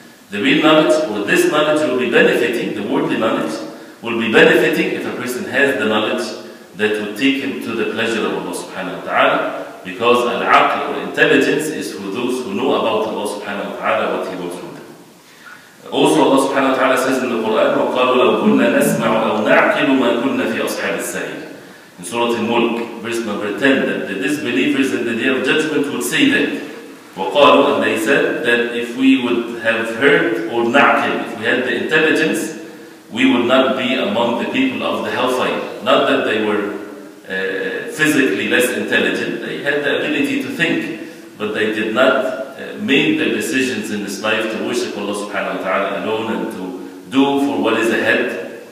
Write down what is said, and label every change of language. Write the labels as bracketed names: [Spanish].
[English] The real knowledge, or this knowledge will be benefiting, the worldly knowledge will be benefiting if a person has the knowledge that will take him to the pleasure of Allah subhanahu wa ta'ala, because al-aql or intelligence is for those who know about Allah subhanahu wa ta'ala, what he wants from them. [Arabic] Also Allah subhanahu wa ta'ala says in the Quran, وَقَالُوا لَوْ كُنَّا نَسْمَعُ أَوْ نَعْقِلُ مَا كُنَّا فِي أَصْحَابِ السَّعِيرِ. [English] In Surah Al-Mulk, verse number 10, that the disbelievers in the Day of Judgment would say that, وَقَالُوا, and they said that if we would have heard or na'qil, if we had the intelligence, we would not be among the people of the hellfire. Not that they were physically less intelligent, they had the ability to think, but they did not make their decisions in this life to worship Allah subhanahu wa ta'ala alone and to do for what is ahead.